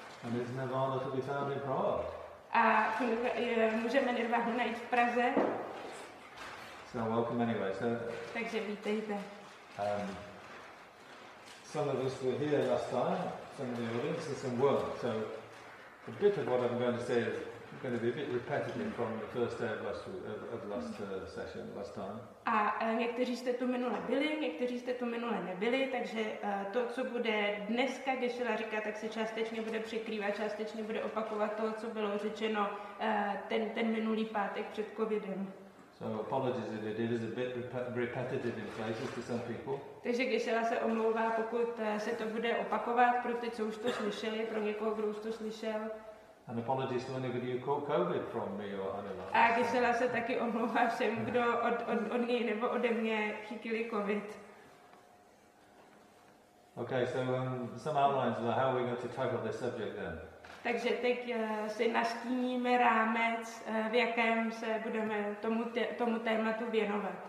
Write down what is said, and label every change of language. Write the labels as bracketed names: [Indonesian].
[English] And is nirvana to be found in Prague? [Czech] A můžeme nirvánu najít v Praze. [English] So welcome anyway, sir. [Czech] Takže vítejte. [English] Some of us were here last time, some of the audience, and some weren't. So a bit of what I'm going to say is going to be a bit repetitive from the first day of last session, last time. [Czech] A někteří jste tu minule byli, někteří jste tu minule nebyli, takže to, co bude dneska Gešela říkat, tak se částečně bude překrývat, částečně bude opakovat to, co bylo řečeno ten minulý pátek před COVIDem. [English] So apologies if it is a bit repetitive in places to some people. [Czech] Takže Gešela se omlouvá, pokud se to bude opakovat pro ty, co už to slyšeli, pro někoho, kdo už to slyšel. [English] And apologies to anybody who caught COVID from me or Anila. [Czech] A Gešela se taky omlouvá všem, kdo od něj nebo ode mě chytili COVID. [English] Okay, so some outlines of how we're going to tackle this subject then. [Czech] Takže teď si nastíníme rámec, v jakém se budeme tomu tématu věnovat.